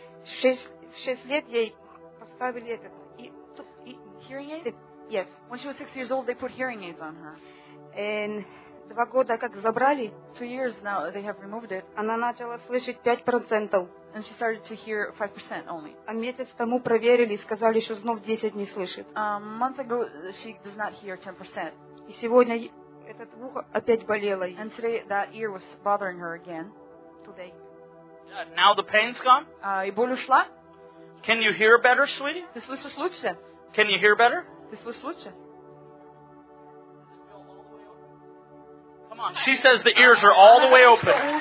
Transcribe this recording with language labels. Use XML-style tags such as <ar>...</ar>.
<ru>В шесть лет ей поставили этот...</ru> <en>Hearing aid? Yes. When she was 6 years old, they put hearing aids on her.</en> <ru>And... 2 года как забрали.</ru> <en>2 years now they have removed it.</en> <ru>Она начала слышать 5%.</ru> <en>And she started to hear 5% only.</en> <ru>А месяц тому проверили и сказали, что снова 10 не слышит.</ru> <en>A month ago she does not hear 10%.</en> <ru>И сегодня этот ухо опять болело.</ru> <en>And today that ear was bothering her again. Today. Now the pain's gone?</en> <ru>И боль ушла.</ru> <en>Can you hear better, sweetie?</en> <ru>Ты слышишь лучше?</ru> <en>Can you hear better?</en> <ru>Ты слышишь лучше?</ru> <en>She says the ears are all the way open.</en>